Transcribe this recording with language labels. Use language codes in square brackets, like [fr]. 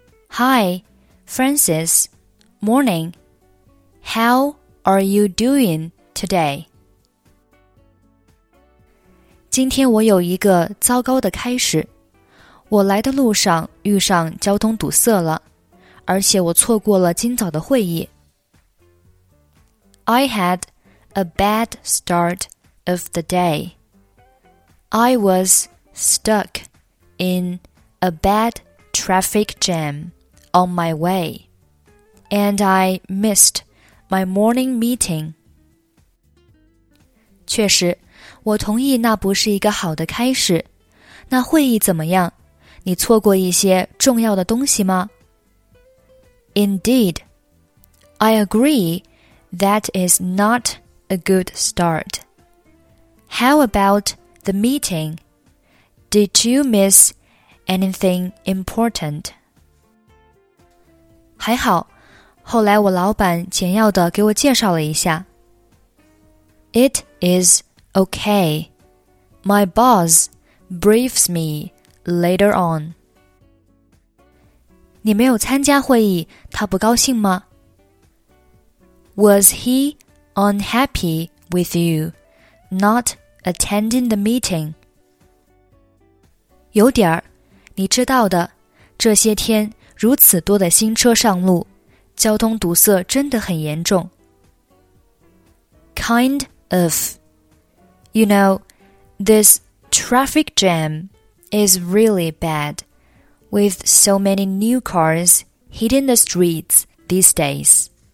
[en] Hi, Francis, morning. How are you doing today? [zh] 今天我有一个糟糕的开始，我来的路上遇上交通堵塞了，而且我错过了今早的会议。 [en] I had a bad start of the day. I was stuck in a bad traffic jam on my way, and I missed my morning meeting. [zh] 确实我同意那不是一个好的开始。那会议怎么样？你错过一些重要的东西吗？ [en] Indeed, I agree that is not a good start. How about the meeting? Did you miss anything important? [zh] 还好，后来我老板简要地给我介绍了一下。 [en] It is... Okay, my boss briefs me later on. [zh] 你没有参加会议，他不高兴吗？ [en] Was he unhappy with you not attending the meeting? [zh] 有点儿，你知道的，这些天如此多的新车上路，交通堵塞真的很严重。 [en] Kind of. You know, this traffic jam is really bad, with so many new cars hitting the streets these days.